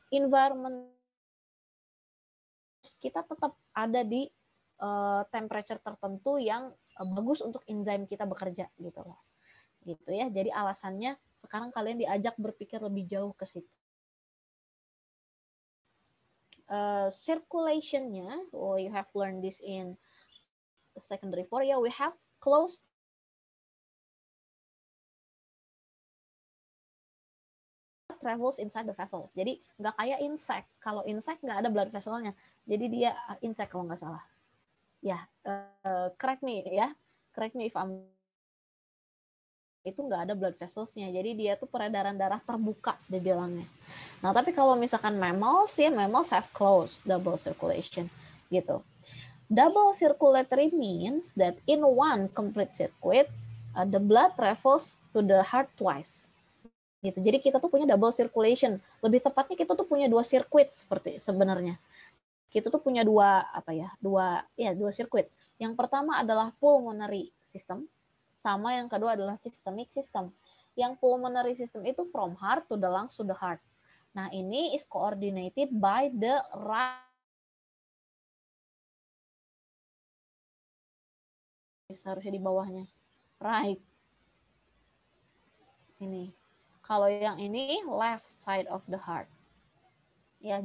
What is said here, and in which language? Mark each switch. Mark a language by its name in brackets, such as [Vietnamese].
[Indonesian] Environment kita tetap ada di temperature tertentu yang bagus untuk enzim kita bekerja gitu loh. Gitu ya. Jadi alasannya sekarang kalian diajak berpikir lebih jauh ke situ. [English] Circulation-nya, oh, you have learned this in secondary four, yeah, we have closed travels inside the vessels. [Indonesian] Jadi nggak kayak insect. Kalau insect nggak ada blood vessel-nya. Jadi dia insect kalau nggak salah. [English] Yeah, correct me if I'm, [Indonesian] itu nggak ada blood vessels-nya. Jadi dia tuh peredaran darah terbuka dibilangnya. Nah, tapi kalau misalkan mammals, ya [English] mammals have closed double circulation [Indonesian] gitu. [English] Double circulatory means that in one complete circuit, the blood travels to the heart twice. [Indonesian] Gitu. Jadi kita tuh punya double circulation. Lebih tepatnya kita tuh punya dua circuit seperti sebenarnya. Kita tuh punya dua circuit. Yang pertama adalah pulmonary system, sama yang kedua adalah systemic system. [English] Yang pulmonary system itu from heart to the lungs to the heart. Nah, ini is coordinated by the right [Indonesian] seharusnya di bawahnya, [English] right, [Indonesian] ini kalau yang ini [English] left side of the heart ya.